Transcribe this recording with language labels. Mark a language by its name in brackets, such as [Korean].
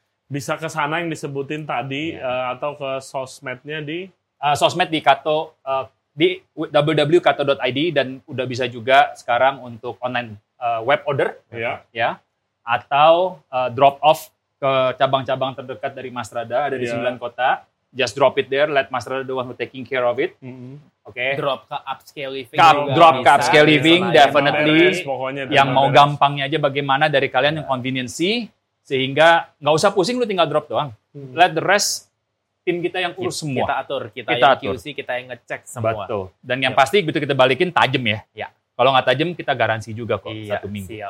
[Indonesian] Bisa ke sana yang disebutin tadi atau ke sosmednya di Sosmed di Kato di www.kato.id dan udah bisa juga sekarang untuk online web order ya atau drop off ke cabang-cabang terdekat dari Mastrada ada di 9 kota. [English] Just drop it there, let Mastrada the one who taking care of it. [Indonesian] Oke. Okay. Drop ke Upscale Living. Ke Upscale Living definitely. Beres, pokoknya yang mau gampangnya aja bagaimana dari kalian yang conveniency sehingga enggak usah pusing lu tinggal drop doang. [English] Let the rest [Indonesian] tim kita yang urus semua. Kita atur. QC, kita yang ngecek semua. Betul. Dan yang pasti gitu kita balikin tajam ya. Ya. Kalau nggak tajam, kita garansi juga kok satu minggu.